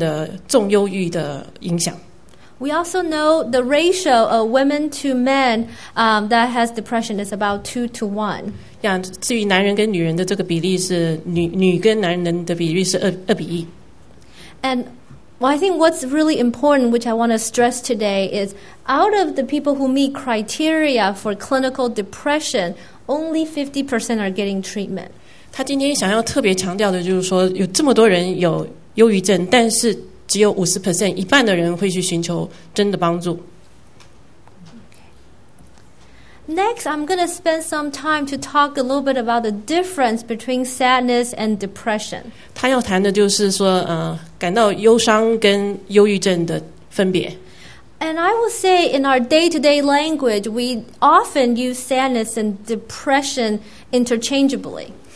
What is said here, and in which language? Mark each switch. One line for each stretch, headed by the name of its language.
Chinese: 在一个人的生命中呢，大概有17%的人呢，他会经历这个算是比较严重的重忧郁的影响。
English: We also know the ratio of women to men that has depression is about 2 to 1.
Chinese: Yeah, 至于男人跟女人的这个比例是女跟男人的比例是二比一。
English: And well, I think what's really important, which I want to stress today, is out of the people who meet criteria for clinical depression, only 50% are getting treatment.
Chinese: 他今天想要特别强调的就是说，有这么多人有忧郁症，但是只有 50%， 一半的人会去寻求真的帮助。
English: Next, I'm going to spend some time to talk a little bit about the difference between sadness and depression.
Chinese: 他要谈的就是说，感到忧伤跟忧郁症的分别。
English: And I will say in our day-to-day language, we often use sadness and depression interchangeably.